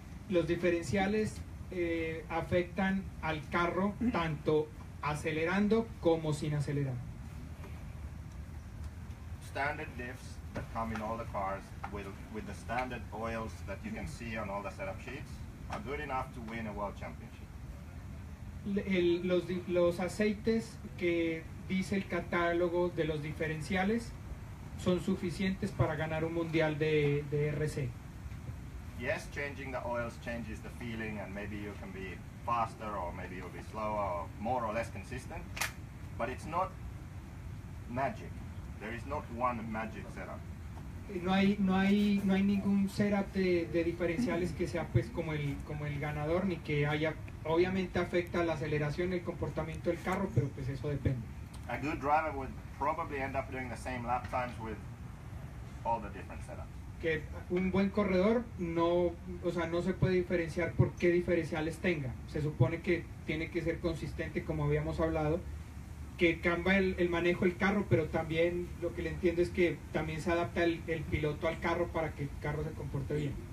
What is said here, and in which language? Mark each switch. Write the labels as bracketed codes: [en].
[es] Los diferenciales. Afectan al carro tanto acelerando como sin acelerar. [en] Standard diffs that come in all the cars with the standard oils that you can see on all the setup sheets are good enough to win a world championship. [es] Los aceites que dice el catálogo de los diferenciales son suficientes para ganar un mundial de RC. [en] Yes, changing the oils changes the feeling and maybe you can be faster or maybe you'll be slower or more or less consistent, but it's not magic. There is not one magic setup. [es] No hay ningún setup de diferenciales que sea pues como el ganador ni que haya, obviamente afecta la aceleración, el comportamiento del carro, pero pues eso depende. [en] A good driver would probably end up doing the same lap times with all the different setups. [es] Que un buen corredor no se puede diferenciar por qué diferenciales tenga. Se supone que tiene que ser consistente, como habíamos hablado, que cambia el manejo del carro, pero también lo que le entiendo es que también se adapta el piloto al carro para que el carro se comporte bien.